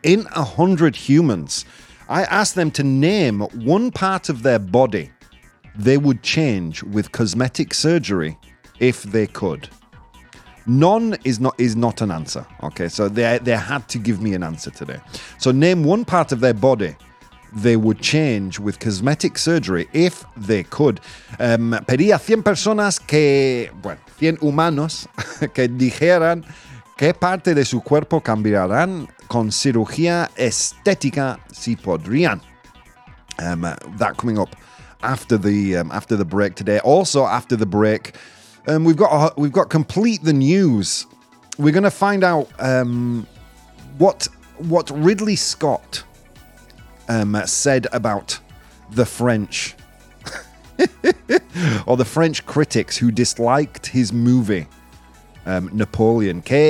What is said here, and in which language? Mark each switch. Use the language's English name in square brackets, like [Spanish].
[English] In 100 Humans... I asked them to name one part of their body they would change with cosmetic surgery if they could. None is not an answer. Okay, so they had to give me an answer today. So name one part of their body they would change with cosmetic surgery if they could. [Spanish] Pedí a 100 personas que, bueno, 100 humanos que dijeran qué parte de su cuerpo cambiarán con cirugía estética si podrían. [English] That coming up after the break today. Also after the break, we've got complete the news. We're going to find out what Ridley Scott said about the French or the French critics who disliked his movie Napoleon.